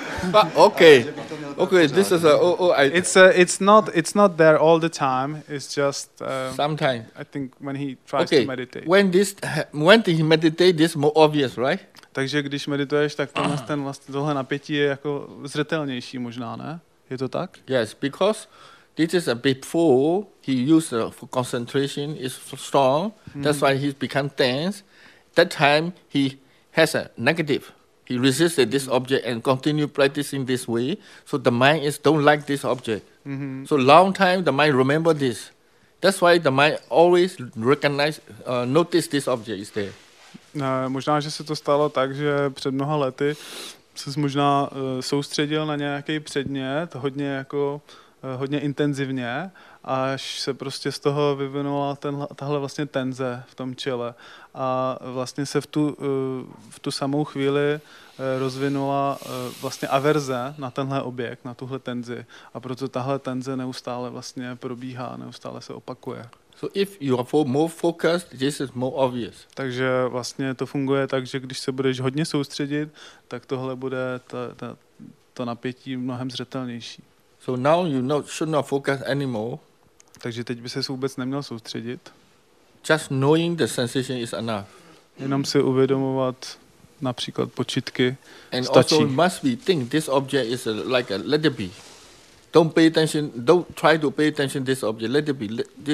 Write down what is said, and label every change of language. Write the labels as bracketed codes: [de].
[en] But okay, this is a. It's not there all the time. It's just sometimes. I think when he tries to meditate. When he meditate, this more obvious, right? [cs] Takže když medituješ, tak tenhle ten vlastně tohle napětí je jako zřetelnější možná, ne? Je to tak? [en] Yes, because this is a before he used for concentration is strong. That's why he become tense. That time he has a negative. He resisted this object and continued practicing this way. So the mind is don't like this object. Mm-hmm. So long time the mind remember this. That's why the mind always recognize, notice this object is there. [cs] Možná, že se to stalo tak, že před mnoha lety jsi možná soustředil na nějaký předmět hodně jako hodně intenzivně, až se prostě z toho vyvinula tahle vlastně tenze v tom čele. A vlastně se v tu samou chvíli rozvinula vlastně averze na tenhle objekt, na tuhle tenzi. A proto tahle tenze neustále vlastně probíhá, neustále se opakuje. [en] So if you are more focused, this is more obvious. [cs] Takže vlastně to funguje tak, že když se budeš hodně soustředit, tak tohle bude to napětí mnohem zřetelnější. [en] So now you should not focus anymore. [cs] Takže teď by ses vůbec neměl soustředit. [en] Just knowing the sensation is enough. [cs] Jenom si uvědomovat například počítky [en] and [cs] stačí. [en] Also must we think this object is like a let it be. Don't pay attention, don't try to pay attention this object, let it be.